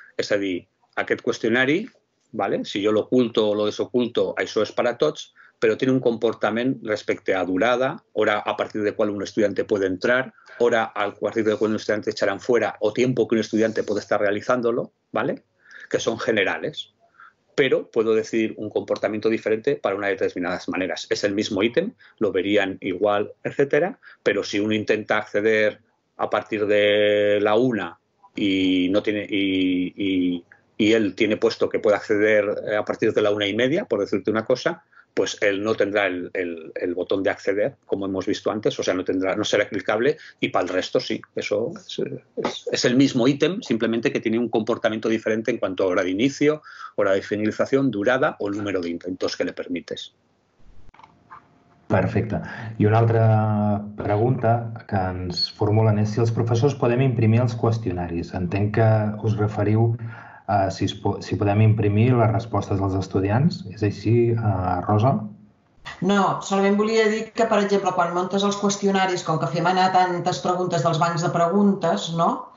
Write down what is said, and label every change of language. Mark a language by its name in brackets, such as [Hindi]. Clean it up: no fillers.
[Catalan] És a dir, aquest qüestionari, ¿vale? Si jo l'oculto [Spanish] o lo desoculto, [Catalan] això és per a tots, però té un comportament respecte a durada, hora a partir de qual un estudiant pot entrar, hora a partir de qual un estudiant [Spanish] echaran fuera o tiempo [Catalan] que un estudiant pot estar [Spanish] realizándolo, [Catalan] ¿vale? Que són generales, però [Spanish] puedo decidir [Catalan] un comportament diferent per una de determinades maneres. [Spanish] És el mismo ítem, lo verían igual, etc. Però si un intenta acceder a partir de la una y no tiene y él tiene puesto que puede acceder a partir de la una y media, por decirte una cosa, pues él no tendrá el botón de acceder, como hemos visto antes, o sea, no será clicable, y para el resto sí, eso es el mismo ítem, simplemente que tiene un comportamiento diferente en cuanto a hora de inicio, hora de finalización, durada o número de intentos que le permites. [Catalan] Perfecte. I una altra pregunta que ens formulen és si els professors podem imprimir els qüestionaris. Entenc que us referiu a si podem imprimir les respostes dels estudiants. És així, Rosa? No, solament volia dir que, per exemple, quan montes els qüestionaris, com que fem anar tantes preguntes dels bancs de preguntes, no?